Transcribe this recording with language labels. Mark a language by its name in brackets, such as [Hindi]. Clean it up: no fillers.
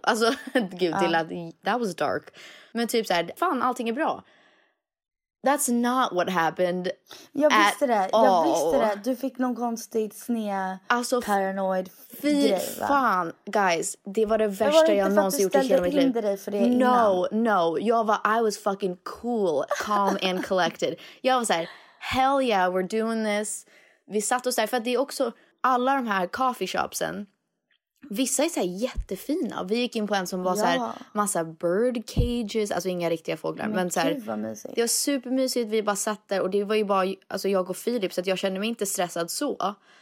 [Swedish] Alltså, gud, till att... [English] That was dark. [Swedish] Men typ så här, fan, allting är bra. [English] That's not what happened. [Swedish] Jag visste det. Du fick någon konstigt snea, alltså, paranoid. Fy fan, guys, det var det värsta var det jag någonsin gjort i hela mitt liv. Inte dig för det. [English] No, [Swedish] innan. [English] No. [Swedish] Jag var [English] I was fucking cool, calm and collected. [Swedish] Jag var så här, [English] hell yeah, we're doing this. [Swedish] Vi satt oss där för att det är också alla de här coffee shopsen. Vissa är så här jättefina. Vi gick in på en som var så här massa bird cages, alltså inga riktiga fåglar, men så här, det var supermysigt. Vi bara satt där och det var ju bara alltså jag och Filip, så att jag kände mig inte stressad så.